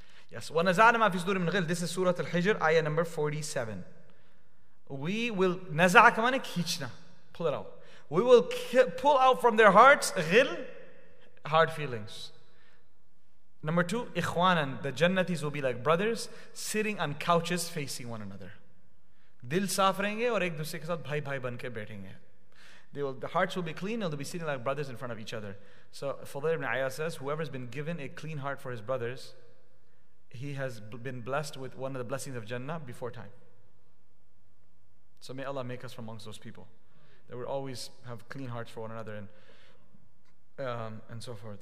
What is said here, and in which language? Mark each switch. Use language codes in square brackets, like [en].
[en] Yes. This is Surah Al-Hijr, ayah number 47. We will naza'a kamani kichna, pull it out. We will pull out from their hearts ghil, hard feelings. Number two, ikhwanan, the jannatis will be like brothers sitting on couches facing one another. [ur] دل صاف رہیں گے اور ایک دوسرے کے ساتھ بھائی بھائی بن کے بیٹھیں گے۔ [en] The hearts will be clean, and they'll be sitting like brothers in front of each other. So Fudayl ibn Ayyad says, whoever's been given a clean heart for his brothers, he has been blessed with one of the blessings of Jannah before time. So may Allah make us from amongst those people that will always have clean hearts for one another and so forth.